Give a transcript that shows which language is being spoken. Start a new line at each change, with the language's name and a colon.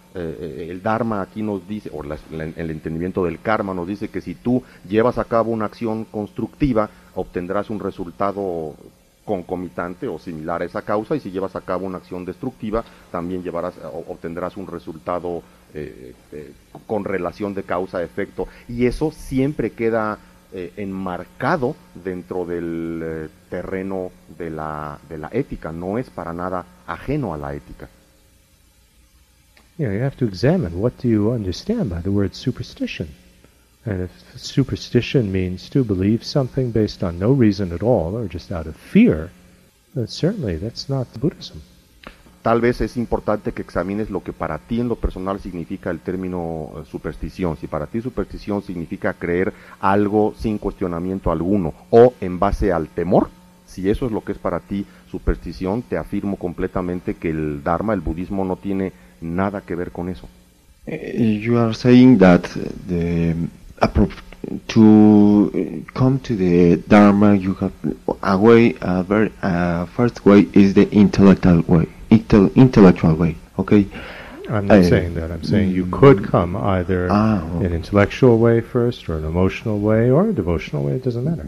Spanish: El Dharma aquí nos dice, o el entendimiento del karma nos dice que si tú llevas a cabo una acción constructiva, obtendrás un resultado concomitante o similar a esa causa, y si llevas a cabo una acción destructiva, también obtendrás un resultado con relación de causa-efecto. Y eso siempre queda enmarcado dentro del terreno de la ética, no es para nada ajeno a la ética.
English: You know, you have to examine what do you understand by the word superstition. And if superstition means to believe something based on no reason at all or just out of fear, then certainly that's not Buddhism.
Spanish: tal vez es importante que examines lo que para ti en lo personal significa el término superstición. Si para ti superstición significa creer algo sin cuestionamiento alguno o en base al temor, si eso es lo que es para ti superstición, te afirmo completamente que el Dharma, el budismo, no tiene nada que ver con eso.
English: You are saying that the to come to the Dharma, you have a way, a very first way is the intellectual way. Intellectual way, okay? I'm not saying that. I'm saying you could come either an intellectual way first, or an emotional way, or a devotional way. It doesn't matter.